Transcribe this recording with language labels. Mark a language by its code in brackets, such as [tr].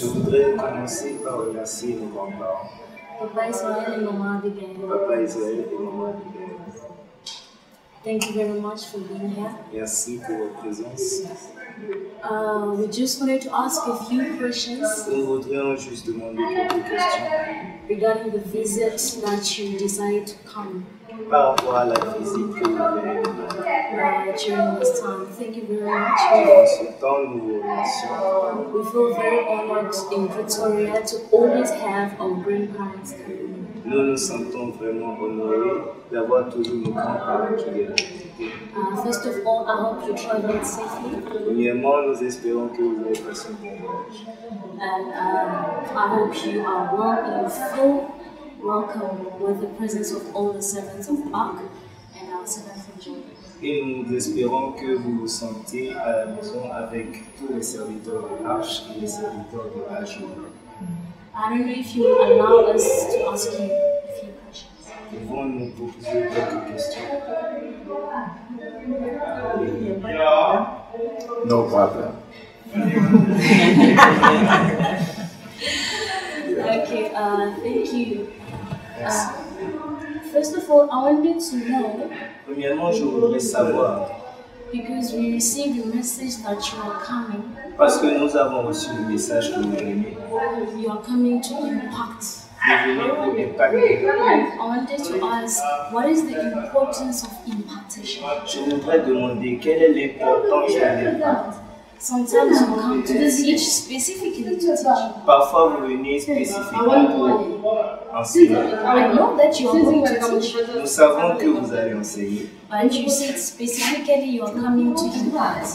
[en] Papa is my name, Maman Abigael. Thank you very much for being here. [fr] Merci pour votre présence. [en] We just wanted to ask a few questions. [fr] Nous voudrions juste demander quelques questions. [en] Regarding the visit that you decided to come. [fr] Par rapport à la visite que vous venez de faire. [en] During this time, thank you very much. [fr] Durant ce temps, nous vous remercions. [en] We feel very honored in Pretoria to always have our grandparents coming. [fr] Nous nous sentons vraiment honorés d'avoir toujours nos grands-parents qui viennent. [en] First of all, I hope you travel safely. [fr] Premièrement, nous espérons que vous avez passé un bon voyage. [en] And I hope you are well and full welcome with the presence of all the servants of Ark and our servants of Jesus. [fr] Et nous espérons que vous vous sentez à la maison avec tous les serviteurs de l'Arche et les serviteurs de l'Arche. [en] I don't know if you allow us to ask you. No problem. Okay, thank you. First of all, I want you to know, [fr] premièrement, je voudrais savoir, [en] because we received a message that you are coming. [fr] Parce que nous avons reçu le message que vous venez. [en] You are coming to impact. I wanted to ask, what is the importance of impartation? [fr] Je voudrais demander quelle est l'importance de l'impact. [en] Sometimes you come to teach specifically to teach. [fr] Parfois vous venez spécifiquement pour enseigner. [en] I know that you are going to teach. [fr] Nous savons que vous allez enseigner. [en] But you said specifically you are coming to impart.